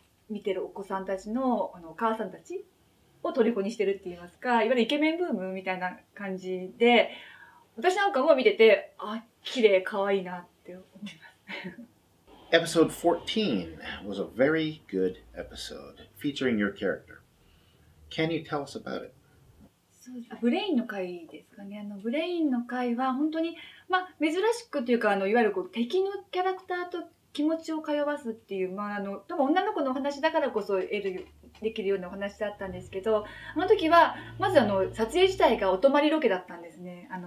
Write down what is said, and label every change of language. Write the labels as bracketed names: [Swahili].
[Japanese] う見てるお子さんたち のお母さんたちを虜にしてるって言いますか、いわゆるイケメンブームみたいな感じで、私なんかも見てて、あ、綺麗、可愛いなって思います [English] Episode 14 was a very good episode featuring your character. Can you tell us about it? [Japanese] ブレインの回ですかね。ブレインの回は本当に、まあ、珍しくというか、いわゆるこう敵のキャラクターと気持ちを通わすっていう、まあ、多分女の子のお話だからこそできるようなお話だったんですけど、あの時はまず撮影自体がお泊りロケだったんですね。